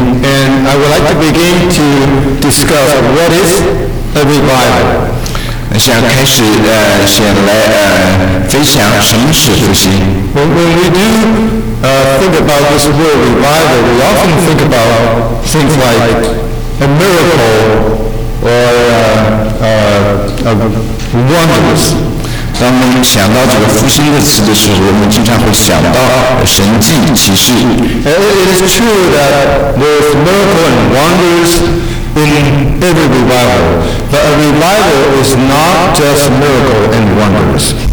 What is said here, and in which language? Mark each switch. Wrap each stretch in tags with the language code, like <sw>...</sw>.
<en>And I would like to begin to discuss what is a revival.</en> <zh>想开始先来分享什么是复兴。</zh> <en>When we do think about this word revival, we often think about things like a miracle or wonders.</en> <zh>当我们想到这个复兴的词的时候，我们经常会想到神迹奇事。</zh> <en>It is true that there is miracle and wonders in every revival, but a revival is not just miracle and wonders.</en>